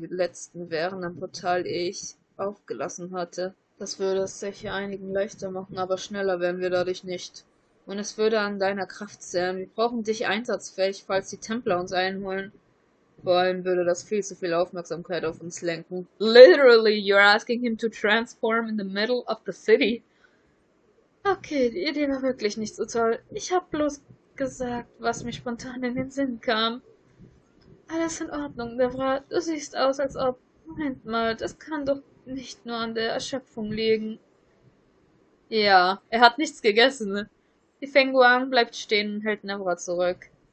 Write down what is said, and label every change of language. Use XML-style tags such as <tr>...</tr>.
<de>Die letzten wären am Portal, ehe ich aufgelassen hatte. Das würde es sicher einigen leichter machen, aber schneller wären wir dadurch nicht. Und es würde an deiner Kraft zehren. Wir brauchen dich einsatzfähig, falls die Templer uns einholen. Vor allem würde das viel zu viel Aufmerksamkeit auf uns lenken.</de> <en>Literally, you're asking him to transform in the middle of the city.</en> <de>Okay, die Idee war wirklich nicht so toll. Ich hab bloß gesagt, was mir spontan in den Sinn kam. Alles in Ordnung, Debra. Du siehst aus, als ob... Moment mal, das kann doch nicht nur an der Erschöpfung liegen. Ja, er hat nichts gegessen. Die Fenguang bleibt stehen und hält Debra zurück.</de>